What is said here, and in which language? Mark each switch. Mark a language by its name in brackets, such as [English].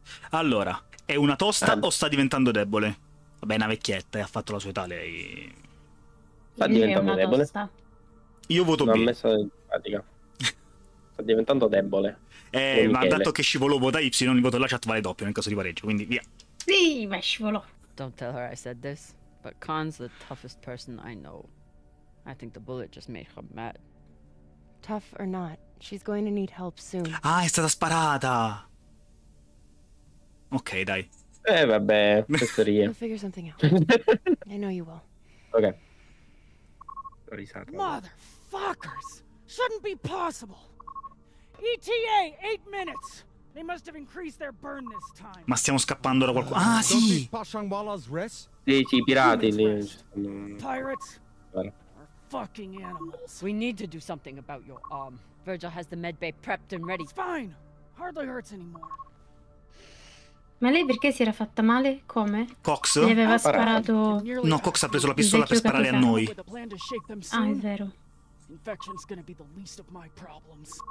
[Italian] Allora, è una tosta o sta diventando debole? Vabbè, è una vecchietta e ha fatto la sua età, lei. Sta diventando debole? Io voto non B. Non ha messo in pratica. Sta diventando debole. Ma dato che scivolò vota Y, il voto della chat vale doppio nel caso di pareggio, quindi via. Sì, ma scivolò. [English] Don't tell her I said this, but Khan's the toughest person I know. I think the bullet just made her mad. Tough or not, she's going to need help soon. [Italian] Ah, è stata sparata! Ok, dai. Vabbè, fessorie. [English] I'll figure something out. I know you will. Ok. [Italian] Ho risato. [English] Motherfuckers! Shouldn't be possible! ETA, 8 minutes! They must have increased their burn this time. [Italian] Ma stiamo scappando da qualcuno. Ah, sì! Sì, pirati lì. [English] Pirates? Fucking animals. We need to do something about your arm. Virgil has the medbay prepped and ready. It's fine. Hardly hurts anymore. [Italian] Ma lei perché si era fatta male? Come? Cox? Le aveva sparato... No, Cox ha preso la pistola per sparare a noi. Ah, è vero. [English] Infection's gonna be the least of my problems.